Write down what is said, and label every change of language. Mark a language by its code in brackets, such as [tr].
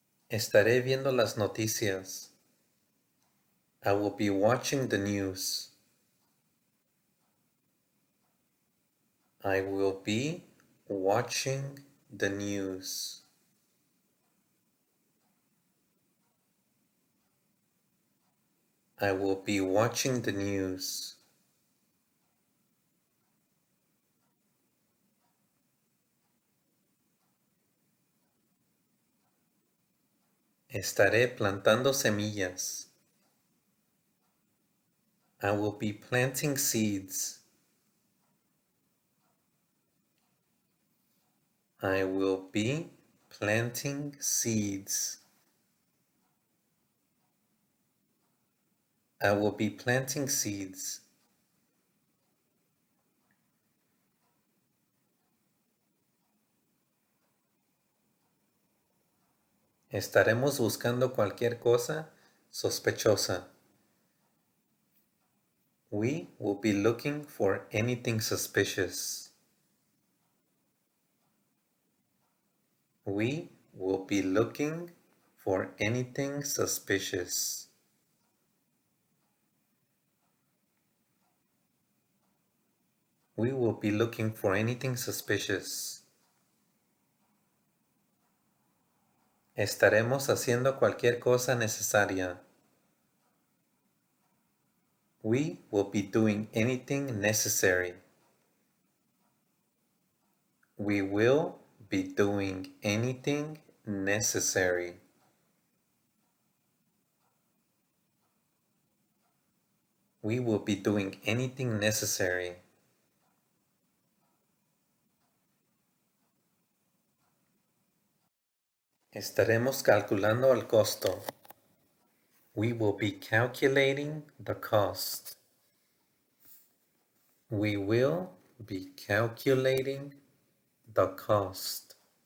[es] Estaré viendo las noticias. [en] I will be watching the news. I will be watching the news. I will be watching the news. [es] Estaré plantando semillas. [en] I will be planting seeds. I will be planting seeds. I will be planting seeds. [es] Estaremos buscando cualquier cosa sospechosa. [en] We will be looking for anything suspicious. We will be looking for anything suspicious. We will be looking for anything suspicious. [es] Estaremos haciendo cualquier cosa necesaria. [en] We will be doing anything necessary. We will be doing anything necessary. We will be doing anything necessary. [es] Estaremos calculando el costo. [en] We will be calculating the cost. We will be calculating the cost.